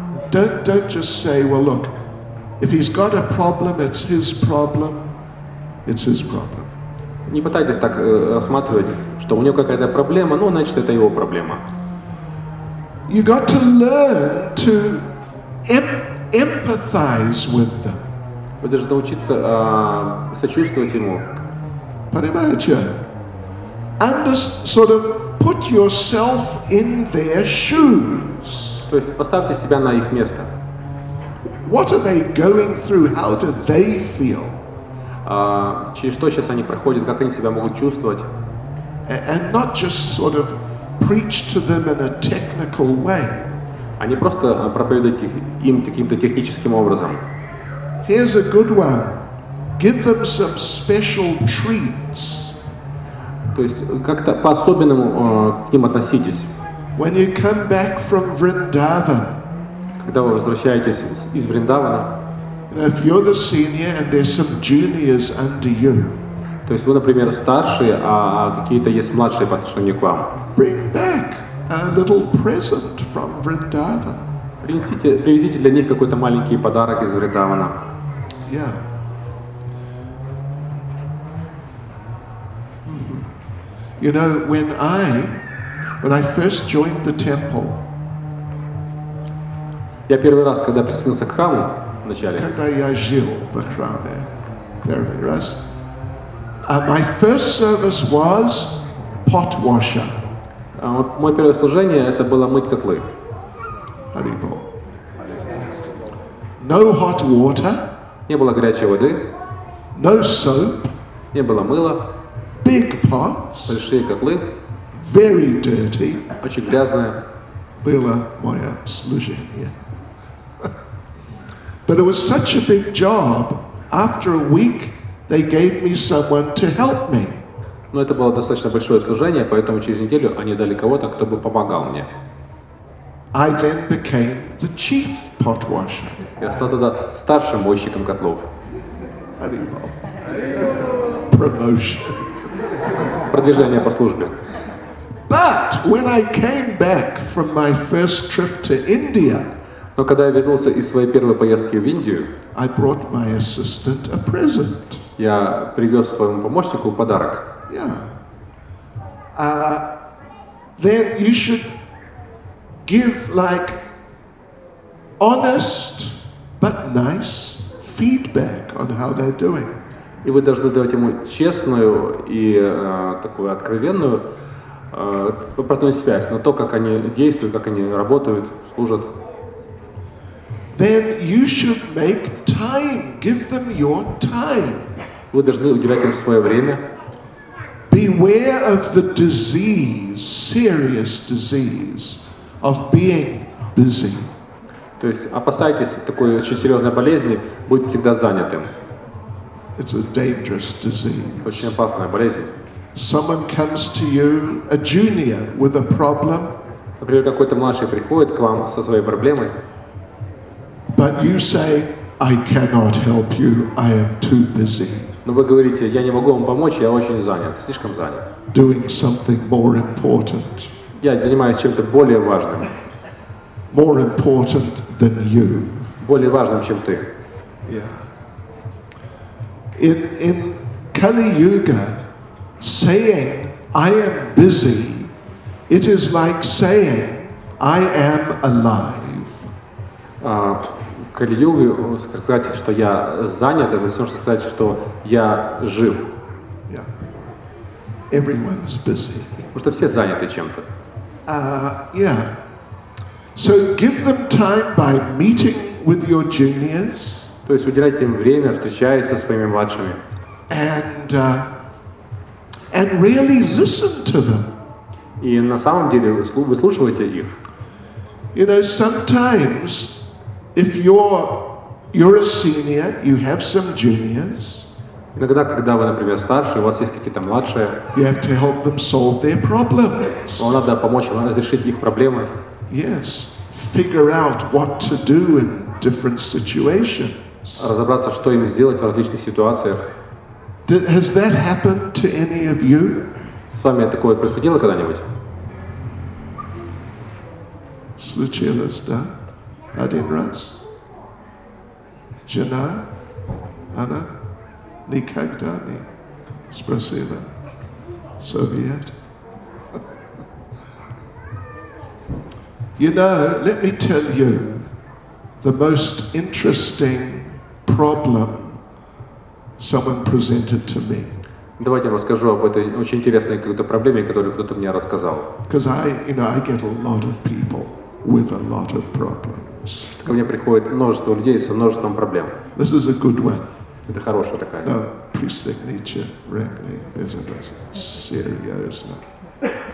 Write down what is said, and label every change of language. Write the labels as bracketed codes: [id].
[en] Don't just say, well, look, if he's got a problem, it's his problem. It's his problem. [ru] Не пытайтесь так рассматривать, что у него какая-то проблема, ну, значит, это его проблема. [en] You got to learn to empathize with them. [ru] Вы должны научиться сочувствовать ему. Понимаете? [en] And sort of put yourself in their shoes. [ru] То есть поставьте себя на их место. [en] What are they going through? How do they feel? [ru] Через что сейчас они проходят? Как они себя могут чувствовать? [en] And not just sort of preach to them in a technical way. [ru] А не просто проповедовать им каким-то техническим образом. [en] Here's a good one. Give them some special treats. [ru] То есть как-то по-особенному к ним относитесь. [en] When you come back from Vrindavan. [ru] Когда вы возвращаетесь из Вриндавана. [en] If you're the senior and there's some juniors under you. [ru] То есть вы, например, старшие, а какие-то есть младшие по отношению к вам. [en] Bring back a little present from Vrindavan. [ru] Привезите для них какой-то маленький подарок из Вриндавана. [en] Yeah. You know, when I first joined the temple. [ru] Я первый раз, когда присоединился к храму, вначале. Когда я жил в храме, первый раз. [en] My first service was pot washer. [ru] Мое первое служение это было мыть котлы. [en] No hot water. [ru] Не было горячей воды. [en] No soap. [ru] Не было мыла. [en] Big pots. [ru] Большие котлы. [en] Very dirty. [ru] Очень грязное. Было мое служение. [en] But it was such a big job. After a week, they gave me someone to help me. [ru] Но это было достаточно большое служение, поэтому через неделю они дали кого-то, кто бы помогал мне. [en] I then became the chief pot washer. [ru] Я стал тогда старшим мойщиком котлов. [en] Promotion. [ru] Продвижение по службе. [en] But when I came back from my first trip to India, [ru] но когда я вернулся из своей первой поездки в Индию, [en] I brought my assistant a present. [ru] Я привез своему помощнику подарок. [en] Yeah. Then you should give like honest but nice feedback on how they're doing. [ru] И вы должны давать ему честную и такую откровенную обратную связь на то, как они действуют, как они работают, служат. [en] Then you should make time. Give them your time. [ru] Вы должны уделять им свое время. [en] Beware of the disease, serious disease, of being busy. [ru] То есть опасайтесь такой очень серьезной болезни, будьте всегда занятым. [en] It's a dangerous disease. [ru] Очень опасная болезнь. [en] Someone comes to you, a junior, with a problem. [ru] Например, какой-то младший приходит к вам со своей проблемой. [en] But you say, I cannot help you, I am too busy. [ru] Но вы говорите, я не могу вам помочь, я очень занят, слишком занят. [en] Doing something more important. [ru] Я занимаюсь чем-то более важным. [en] More important than you. [ru] Более важным, чем ты. [en] Yeah. In Kali Yuga, saying I am busy, it is like saying I am alive. [ru] Кали Юга сказать, что я занят, это все, что сказать, что я жив. [en] Yeah. Everyone's busy. [ru] Потому что все заняты чем-то. [en] Yeah. So give them time by meeting with your juniors. [ru] То есть уделяйте им время, встречаясь со своими младшими. [en] And really listen to them. [ru] И на самом деле выслушивайте их. [en] You know, sometimes if you're a senior, you have some juniors. [ru] Иногда, когда вы, например, старше, у вас есть какие-то младшие. [en] You have to help them solve their problems. [ru] Вам надо помочь им разрешить их проблемы. [en] Yes. Figure out what to do in different situations. [ru] Разобраться, что им сделать в различных ситуациях. [en] Has that happened to any of you? [ru] С вами такое происходило когда-нибудь? Случилось, да? Один раз? Жена? Она? Никогда не спросила. Совет. [en] You know, let me tell you the most interesting problem someone presented to me. [ru] Давайте я расскажу об этой очень интересной какой-то проблеме, которую кто-то мне рассказал. [en] Because I get a lot of people with a lot of problems. [ru] Ко мне приходит множество людей со множеством проблем. [en] This is a good one. [ru] Это хорошая такая. [en] No, pre-signature, really, there's a serious one.